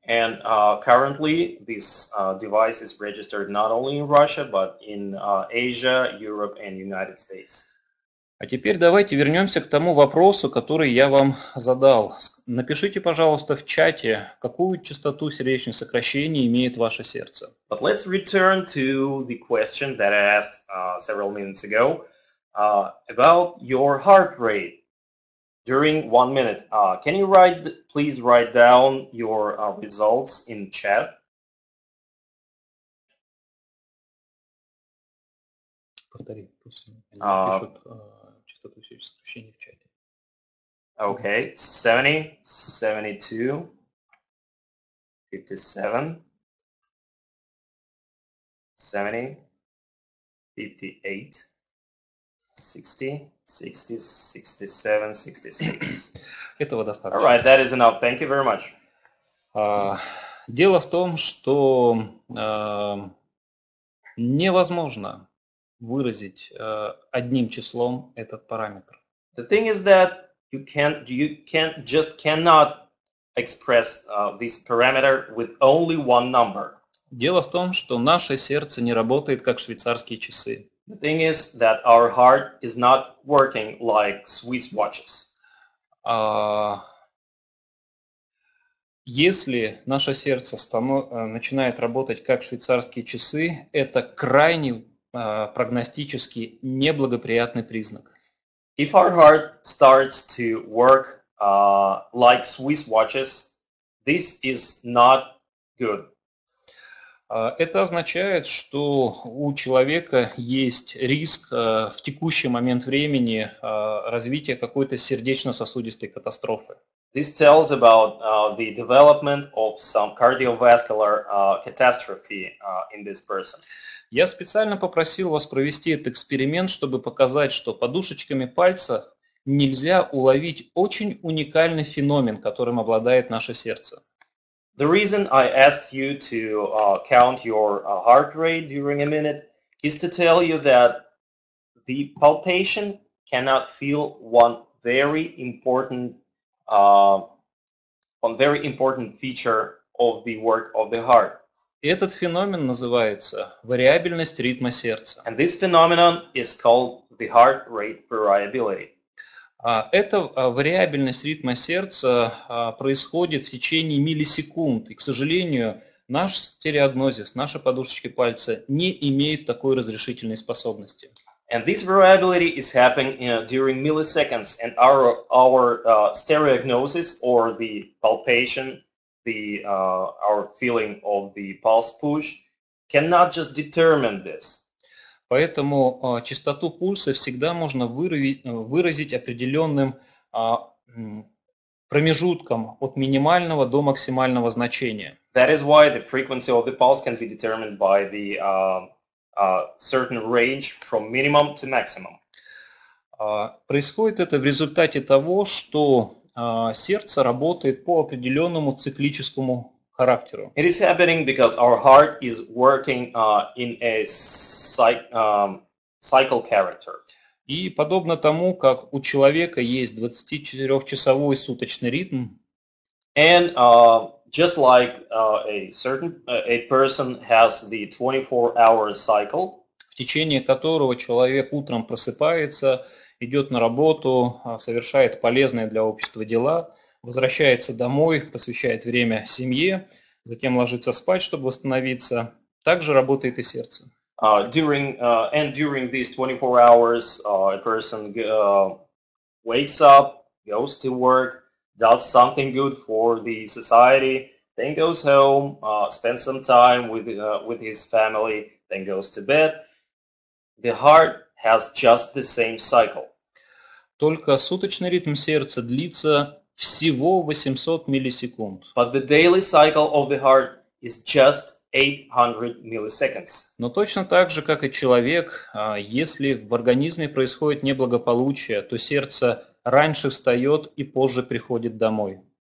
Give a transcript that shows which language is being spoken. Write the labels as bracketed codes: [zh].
[en] And currently this device is registered not only in Russia, but in Asia, Europe and United States. [ru] А теперь давайте вернемся к тому вопросу, который я вам задал. Напишите, пожалуйста, в чате, какую частоту сердечных сокращений имеет ваше сердце. [en] But let's return to the question that I asked several minutes ago. About your heart rate during 1 minute. Can you please write down your results in chat? [ru] Повтори, пусть они пишут частоту сердечных в чате. [en] Okay, 70, 72, 57, 70, 58. 60, 60, 67, 66. [ru] Этого достаточно. [en] All right, that is enough. Thank you very much. [ru] Дело в том, что невозможно выразить одним числом этот параметр. [en] The thing is that you just cannot express this parameter with only one number. [ru] Дело в том, что наше сердце не работает как швейцарские часы. [en] The thing is that our heart is not working like Swiss watches. [ru] Если наше сердце начинает работать как швейцарские часы, это крайне прогностически неблагоприятный признак. [en] If our heart starts to work like Swiss watches, this is not good. [ru] Это означает, что у человека есть риск в текущий момент времени развития какой-то сердечно-сосудистой катастрофы. [en] This tells about the development of some cardiovascular catastrophe in this person. [ru] Я специально попросил вас провести этот эксперимент, чтобы показать, что подушечками пальца нельзя уловить очень уникальный феномен, которым обладает наше сердце. [en] The reason I asked you to count your heart rate during a minute is to tell you that the palpation cannot feel one very important feature of the work of the heart. [ru] Этот феномен называется вариабельность ритма сердца. [en] And this phenomenon is called the heart rate variability. [ru] Эта вариабельность ритма сердца происходит в течение миллисекунд. И, к сожалению, наш стереогнозис, наши подушечки пальца не имеют такой разрешительной способности. [en] And this variability is happening during milliseconds, and our stereognosis or the palpation, our feeling of the pulse push cannot just determine this. [ru] Поэтому частоту пульса всегда можно выразить определенным промежутком от минимального до максимального значения. [en] That is why the frequency of the pulse can be determined by the certain range from minimum to maximum. [ru] Происходит это в результате того, что сердце работает по определенному циклическому характеру. [en] It is happening because our heart is working in a cycle character. [ru] И подобно тому, как у человека есть 24-часовой суточный ритм, [en] and just like a person has the 24-hour cycle, [ru] в течение которого человек утром просыпается, идет на работу, совершает полезные для общества дела, возвращается домой, посвящает время семье, затем ложится спать, чтобы восстановиться, также работает и сердце. [en] During these 24 hours, a person wakes up, goes to work, does something good for the society, then goes home, spends some time with his family, then goes to bed. The heart has just the same cycle. [ru] Только суточный ритм сердца длится всего 800 миллисекунд. [en] But the daily cycle of the heart is just 800 milliseconds. [ru] Но точно так же, как и человек, если в организме происходит неблагополучие, то сердце раньше встает и позже приходит домой.